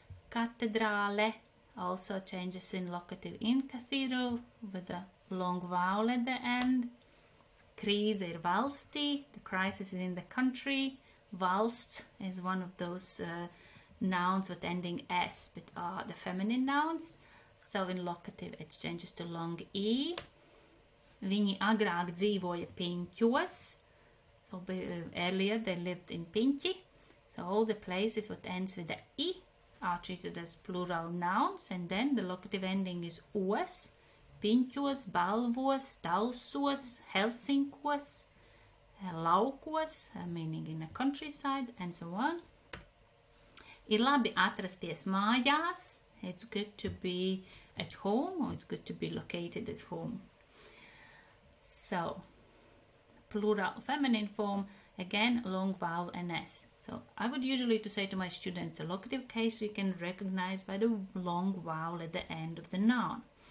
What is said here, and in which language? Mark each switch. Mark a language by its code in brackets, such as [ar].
[en] Katedrāle also changes in locative in cathedral with a long vowel at the end. [lv] Krīze ir valstī, [en] the crisis is in the country. Valsts is one of those nouns with ending S, but are the feminine nouns. So in locative, it changes to long E. [lv] Viņi agrāk dzīvoja Piņķos. [en] So earlier, they lived in Piņķi. So all the places that ends with the E are treated as plural nouns. And then the locative ending is os. Piņķos, Balvos, Talsos, Helsinkos, Laukos, meaning in the countryside, and so on. [lv] Ir labi atrasties mājās. [en] It's good to be at home, or it's good to be located at home. So, plural feminine form, again, long vowel and S. So, I would usually to say to my students, the locative case we can recognize by the long vowel at the end of the noun.